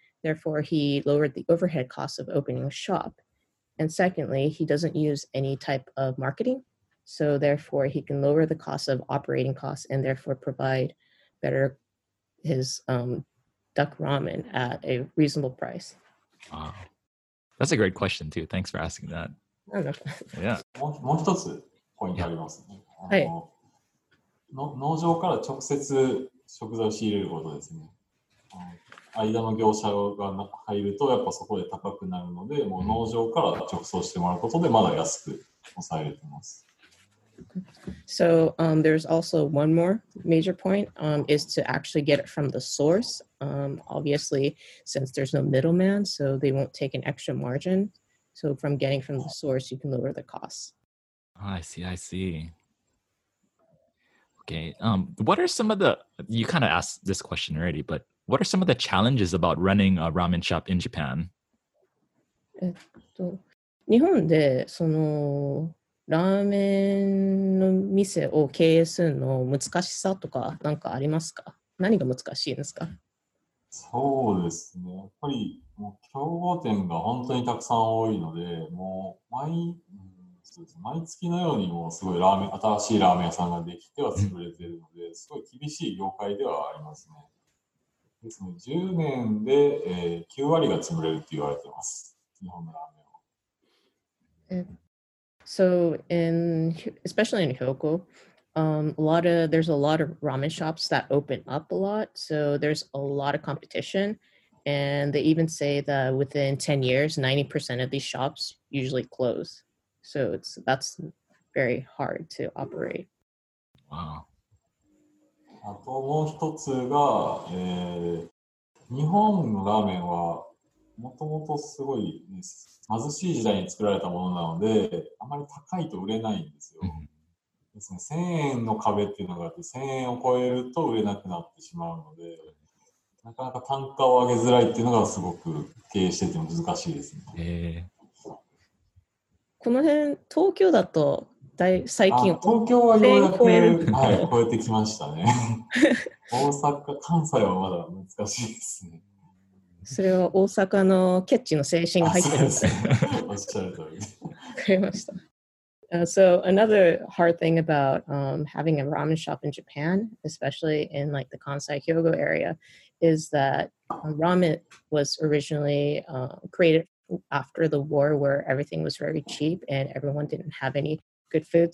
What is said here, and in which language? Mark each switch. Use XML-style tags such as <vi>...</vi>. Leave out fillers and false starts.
<en>Therefore, he lowered the overhead cost of opening a shop. And secondly, he doesn't use any type of marketing. So therefore, he can lower the cost of operating costs and therefore provide better his duck ramen at a reasonable price. Wow. That's a great question too. Thanks for asking that. Yeah.</en> <ja>もう一つポイントありますね。はい。農場から直接食材を仕入れることですね。間の業者が入るとやっぱそこで高くなるので、もう農場から直送してもらうことでまだ安く抑えられています。</ja> <en>So, there's also one more major point, is to actually get it from the source. Obviously, since there's no middleman, so they won't take an extra margin. So from getting from the source, you can lower the costs. I see. Okay. What are some of the, you kind of asked this question already, but what are some of the challenges about running a ramen shop in Japan?</en> <ja>日本でそのラーメンの店を経営するの難しさとかなんかありますか？何が難しいんですか？そうですね。やっぱりもう競合店が本当にたくさん多いので、もう毎月のようにもうすごいラーメン、新しいラーメン屋さんができては潰れているので、すごい厳しい業界ではありますね。ですので10年で、9割が潰れると言われています、日本のラーメンは。</ja> <en>So in, especially in Hyoko, there's a lot of ramen shops that open up a lot, so there's a lot of competition. And they even say that within 10 years, 90% of these shops usually close. So that's very hard to operate. Wow.</en> <ja>あともう一つが、日本のラーメンはもともとすごい、ね、貧しい時代に作られたものなのであまり高いと売れないんですよ、うんですね、1000円の壁っていうのがあって1000円を超えると売れなくなってしまうのでなかなか単価を上げづらいっていうのがすごく経営してても難しいですね、この辺東京だと最近東京はようやく超える、はい、超えてきましたね大阪関西はまだ難しいですねそれは大阪のケッチの精神が入ってるんですねおっしゃる通りわかりました</ja> <en>So another hard thing about having a ramen shop in Japan, especially in like the Kansai Hyogo area, is that ramen was originally created after the war where everything was very cheap and everyone didn't have any good food.</en>